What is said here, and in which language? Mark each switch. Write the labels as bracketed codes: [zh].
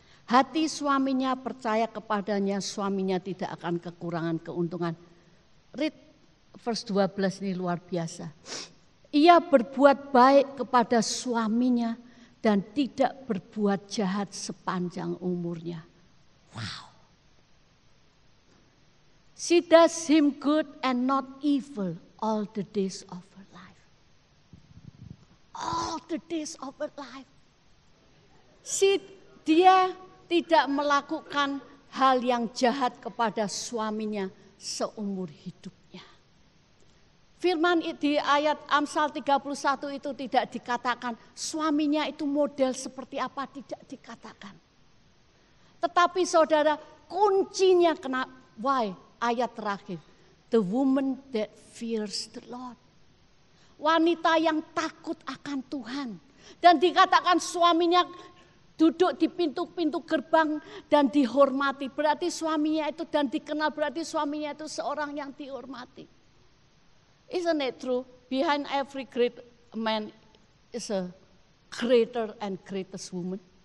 [id] Hati suaminya percaya kepadanya, suaminya tidak akan kekurangan keuntungan. [en] Read verse 12 [id] ini luar biasa. Ia berbuat baik kepada suaminya dan tidak berbuat jahat sepanjang umurnya. Wow. [en] She does him good and not evil all the days of her life. All the days of her life. [id] Dia tidak melakukan hal yang jahat kepada suaminya seumur hidup. Firman di ayat Amsal 31 itu tidak dikatakan suaminya itu model seperti apa, tidak dikatakan. Tetapi saudara, kuncinya kenapa? Why? Ayat terakhir. [en] The woman that fears the Lord. [id] Wanita yang takut akan Tuhan. Dan dikatakan suaminya duduk di pintu-pintu gerbang dan dihormati. Berarti suaminya itu dan dikenal, berarti suaminya itu seorang yang dihormati. [en] Isn't it true? Behind every great man is a greater and greatest woman.